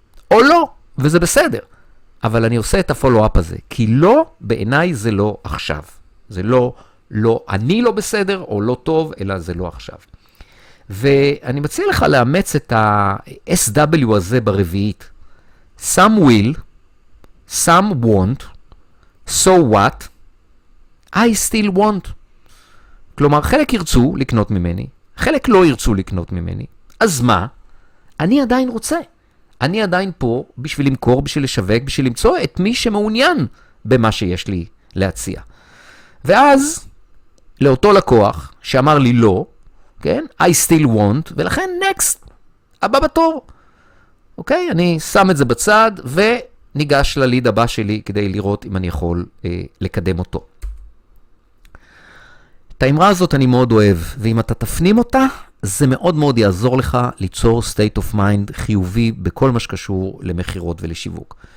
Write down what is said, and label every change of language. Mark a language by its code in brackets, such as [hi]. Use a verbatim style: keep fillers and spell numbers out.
[he] או לא, וזה בסדר. אבל אני עושה את הפולו-אפ הזה, כי לא, בעיניי זה לא עכשיו. זה לא, לא, אני לא בסדר, או לא טוב, אלא זה לא עכשיו. ואני מציע לך לאמץ את ה-אס דאבליו הזה ברביעית. [en] Some will, some want, so what, I still want. [he] כלומר, חלק ירצו לקנות ממני, חלק לא ירצו לקנות ממני. אז מה? אני עדיין רוצה. אני עדיין פה בשביל למכור, בשביל לשווק, בשביל למצוא את מי שמעוניין במה שיש לי להציע. ואז, לאותו לקוח שאמר לי לא, כן? [en] I still want, [he] ולכן [en] next, [he] הבא בתור. אוקיי? אני שם את זה בצד, וניגש לליד הבא שלי כדי לראות אם אני יכול אה, לקדם אותו. את האמרה הזאת אני מאוד אוהב, ואם אתה תפנים אותה, זה מאוד מאוד יעזור לך ליצור [en] state of mind [he] חיובי בכל מה שקשור למחירות ולשיווק.